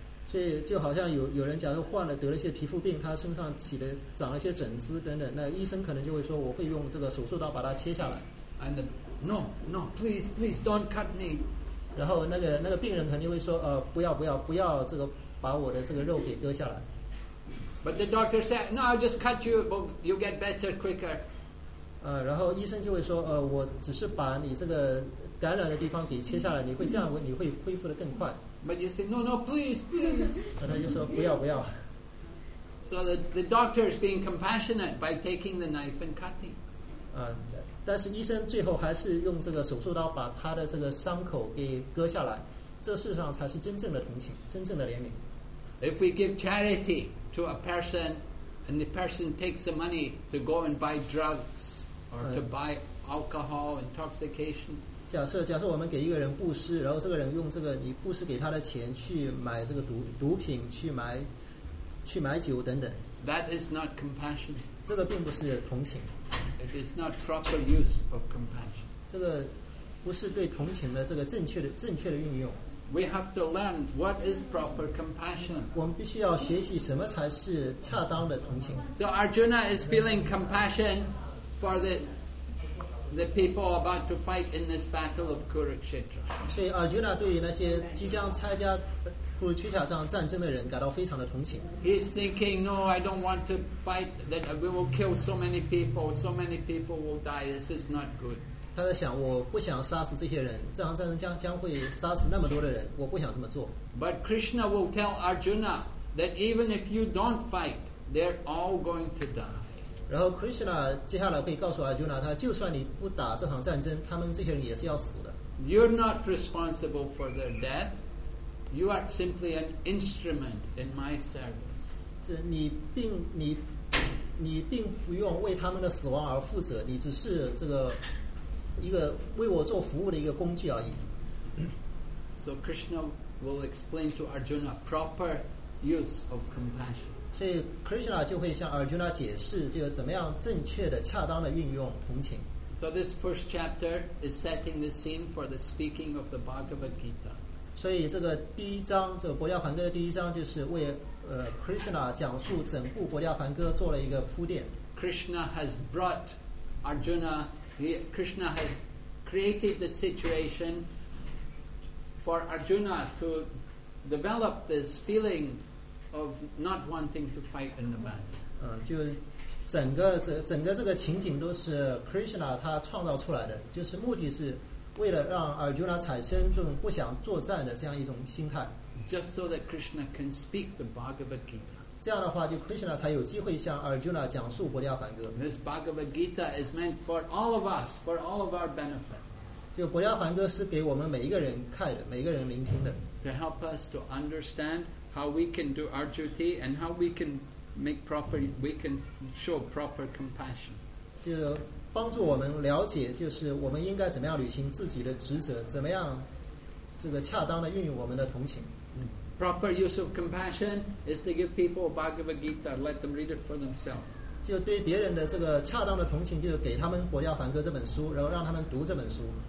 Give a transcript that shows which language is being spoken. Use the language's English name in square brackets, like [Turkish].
[Chinese] 对，就好像有人假如患了得了一些皮肤病，他身上起了长了一些疹子等等，那医生可能就会说，我会用这个手术刀把它切下来。 [English] And the, no, no, please, please don't cut me. [Chinese] 然后那个病人肯定会说，不要这个把我的这个肉给割下来。 [English] But the doctor said, "No, I'll just cut you, but you'll get better quicker." [Chinese] 然后医生就会说，我只是把你这个感染的地方给切下来，你会这样，你会恢复得更快。 [English] But you say, "No, no, please, please." [Chinese] 然后他就说，不要，不要。 [English] So the doctor is being compassionate by taking the knife and cutting. [Chinese] 但是医生最后还是用这个手术刀把他的这个伤口给割下来，这事实上才是真正的同情，真正的怜悯。 [English] If we give charity to a person, and the person takes the money to go and buy drugs or to buy alcohol intoxication, [Chinese] 假设我们给一个人布施，然后这个人用这个你布施给他的钱去买这个毒品，去买酒等等。 [English] That is not compassion. [Chinese] 这个并不是同情。 [English] It is not proper use of compassion. [Chinese] 这个不是对同情的这个正确的运用。 [English] We have to learn what is proper compassion. [Chinese] 我们必须要学习什么才是恰当的同情。 [English] So Arjuna is feeling compassion for the people about to fight in this battle of Kurukshetra. [Chinese] 所以 Arjuna 对于那些即将参加库鲁切特拉这场战争的人感到非常的同情。 [English] He's thinking, "No, I don't want to fight. That we will kill so many people. So many people will die. This is not good." [Chinese] 他在想，我不想杀死这些人。这场战争将会杀死那么多的人，我不想这么做。 [English] But Krishna will tell Arjuna that even if you don't fight, they're all going to die. [Chinese] 然后 Krishna 接下来会告诉 Arjuna， 他就算你不打这场战争，他们这些人也是要死的。 [English] You're not responsible for their death. You are simply an instrument in my service. [Chinese] 这你并不用为他们的死亡而负责，你只是这个一个为我做服务的一个工具而已。 [English] So Krishna will explain to Arjuna proper use of compassion. [Chinese] 所以 Krishna 就会向 Arjuna 解释这个怎么样正确的、恰当的运用同情。 [English] So this first chapter is setting the scene for the speaking of the Bhagavad Gita. [Chinese] 所以这个第一章，这个《薄伽梵歌》的第一章就是为Krishna 讲述整部《薄伽梵歌》做了一个铺垫。 [English] Krishna has brought Arjuna. Krishna has created the situation for Arjuna to develop this feeling of not wanting to fight in the battle. [Chinese] 就整个这个情景都是 Krishna 他创造出来的，就是目的是。为了让 Arjuna 产生这种不想作战的这样一种心态， [English] just so that Krishna can speak the Bhagavad Gita. [Chinese] 这样的话，就 Krishna 才有机会向 Arjuna 讲述《薄伽梵歌》。 [English] This Bhagavad Gita is meant for all of us, for all of our benefit. [Chinese] 这个《薄伽梵歌》是给我们每一个人看的，每一个人聆听的。 [English] To help us to understand how we can do our duty and how we can make proper, we can show proper compassion. [Chinese] 就帮助我们了解，就是我们应该怎么样履行自己的职责，怎么样这个恰当的运用我们的同情。 [English] Proper use of compassion is to give people Bhagavad Gita, let them read it for themselves. [Chinese] 就对别人的这个恰当的同情，就是给他们《薄伽梵歌》这本书，然后让他们读这本书。